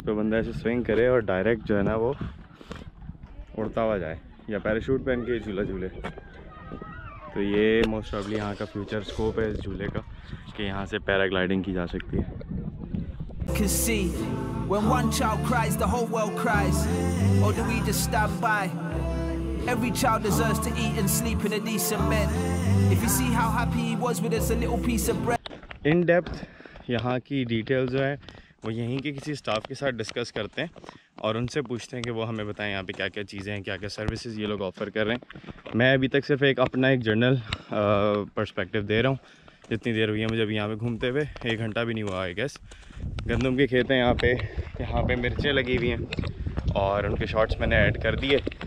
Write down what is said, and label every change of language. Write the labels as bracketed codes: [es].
[hi] पे बंदा ऐसे स्विंग करे और डायरेक्ट जो है ना वो उड़ता हुआ जाए, या पैराशूट पहन के झूला झूले। तो ये मोस्ट प्रॉब्ली यहाँ का फ्यूचर स्कोप है इस झूले का, कि यहाँ से पैराग्लाइडिंग की जा सकती है। [en] Can see when one child cries, the whole world cries. Or do we just stand by? Every child deserves to eat and sleep in a decent bed. If you see how happy he was with us, a little piece of bread. In depth, [hi] यहाँ की details जो हैं, वो यहीं के किसी staff के साथ डिस्कस करते हैं और उनसे पूछते हैं कि वो हमें बताएं यहाँ पे क्या क्या चीज़ें हैं, क्या क्या सर्विसेज ये लोग ऑफ़र कर रहे हैं। मैं अभी तक सिर्फ एक अपना एक जनरल पर्सपेक्टिव दे रहा हूँ जितनी देर हुई है मुझे अभी यहाँ पे घूमते हुए, एक घंटा भी नहीं हुआ आई गैस। गंदम के खेत हैं यहाँ पे, यहाँ पे मिर्चें लगी हुई हैं और उनके शॉट्स मैंने ऐड कर दिए।